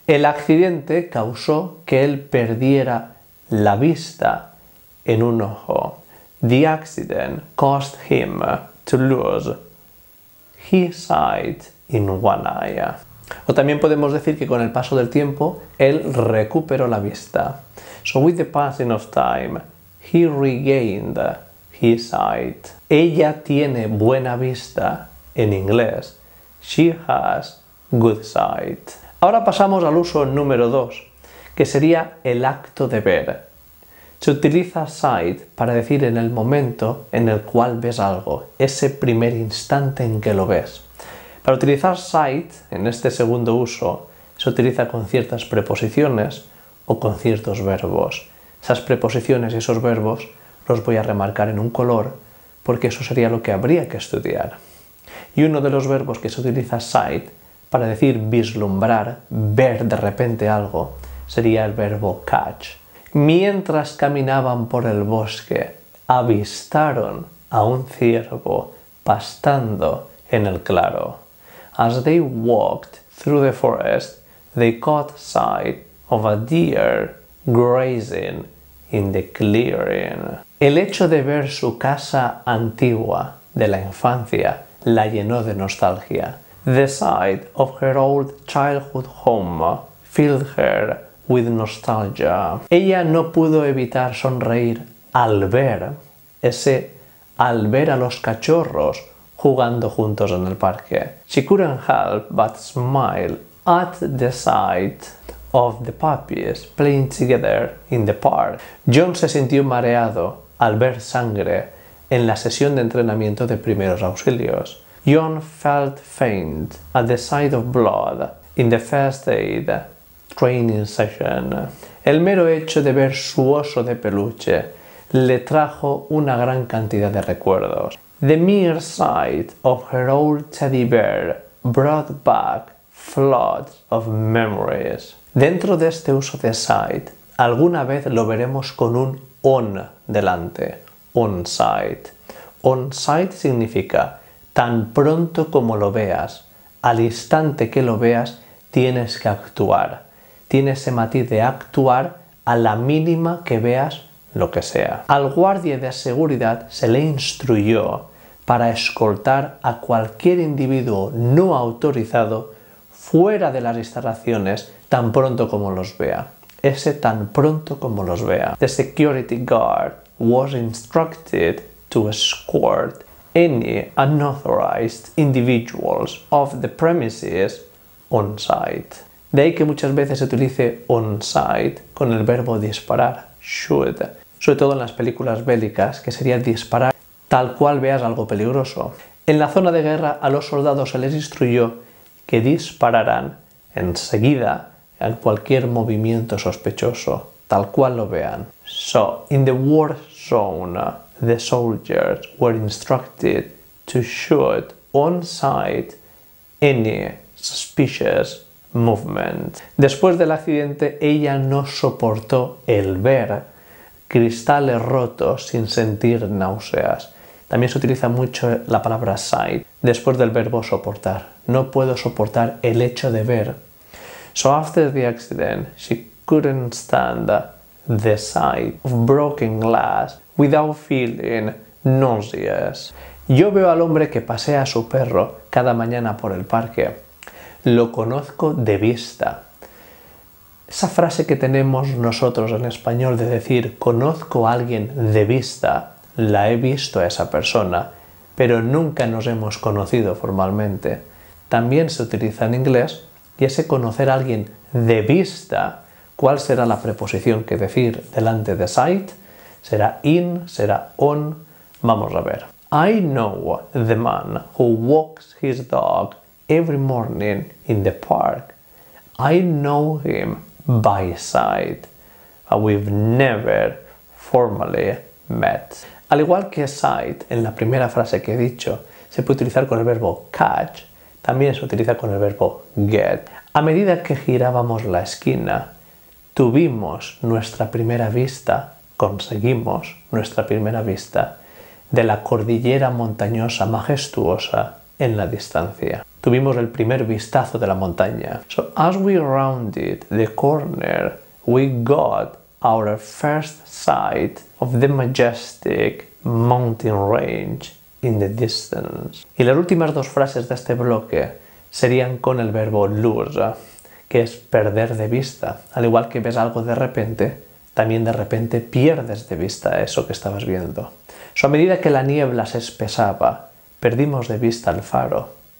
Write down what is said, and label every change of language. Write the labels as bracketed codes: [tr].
[es] El accidente causó que él perdiera la vista en un ojo. [en] The accident caused him to lose his sight in one eye. [es] O también podemos decir que con el paso del tiempo, él recuperó la vista. [en] So with the passing of time, he regained his sight. [es] Ella tiene buena vista en inglés. [en] She has good sight. [es] Ahora pasamos al uso número 2, que sería el acto de ver. Se utiliza sight para decir en el momento en el cual ves algo, ese primer instante en que lo ves. Para utilizar sight, en este segundo uso, se utiliza con ciertas preposiciones o con ciertos verbos. Esas preposiciones y esos verbos los voy a remarcar en un color porque eso sería lo que habría que estudiar. Y uno de los verbos que se utiliza sight para decir vislumbrar, ver de repente algo, sería el verbo catch. Mientras caminaban por el bosque, avistaron a un ciervo pastando en el claro. [en] As they walked through the forest, they caught sight of a deer grazing in the clearing. [es] El hecho de ver su casa antigua de la infancia la llenó de nostalgia. [en] The sight of her old childhood home filled her with nostalgia. [es] Ella no pudo evitar sonreír al ver a los cachorros jugando juntos en el parque. [en] She couldn't help but smile at the sight of the puppies playing together in the park. [es] John se sintió mareado al ver sangre en la sesión de entrenamiento de primeros auxilios. [en] John felt faint at the sight of blood in the first aid training session. [es] El mero hecho de ver su oso de peluche le trajo una gran cantidad de recuerdos. [en] The mere sight of her old teddy bear brought back floods of memories. [es] Dentro de este uso de sight, alguna vez lo veremos con un on delante, on sight. On sight significa tan pronto como lo veas, al instante que lo veas, tienes que actuar. Tiene ese matiz de actuar a la mínima que veas lo que sea. Al guardia de seguridad se le instruyó para escoltar a cualquier individuo no autorizado fuera de las instalaciones tan pronto como los vea. Ese tan pronto como los vea. [en] The security guard was instructed to escort any unauthorized individuals off the premises on site. [es] De ahí que muchas veces se utilice on site con el verbo disparar, shoot. Sobre todo en las películas bélicas, que sería disparar tal cual veas algo peligroso. En la zona de guerra, a los soldados se les instruyó que dispararan enseguida a cualquier movimiento sospechoso, tal cual lo vean. [en] So, in the war zone, the soldiers were instructed to shoot on sight any suspicious movement. [es] Después del accidente, ella no soportó el ver cristales rotos sin sentir náuseas. También se utiliza mucho la palabra sight después del verbo soportar. No puedo soportar el hecho de ver. [en] So after the accident, she couldn't stand the sight of broken glass without feeling nauseous. [es] Yo veo al hombre que pasea a su perro cada mañana por el parque. Lo conozco de vista. Esa frase que tenemos nosotros en español de decir conozco a alguien de vista, la he visto a esa persona, pero nunca nos hemos conocido formalmente. También se utiliza en inglés y ese conocer a alguien de vista, ¿cuál será la preposición que decir delante de sight? ¿Será in? ¿Será on? Vamos a ver. [en] I know the man who walks his dog every morning in the park. I know him by sight, but we've never formally met. [es] Al igual que sight, en la primera frase que he dicho, se puede utilizar con el verbo catch, también se utiliza con el verbo get. A medida que girábamos la esquina, tuvimos nuestra primera vista, conseguimos nuestra primera vista, de la cordillera montañosa majestuosa en la distancia. Tuvimos el primer vistazo de la montaña. So as we rounded the corner, we got our first sight of the majestic mountain range in the distance. Y las últimas dos frases de este bloque serían con el verbo lose, que es perder de vista. Al igual que ves algo de repente, también de repente pierdes de vista eso que estabas viendo. So a medida que la niebla se espesaba, perdimos de vista el faro.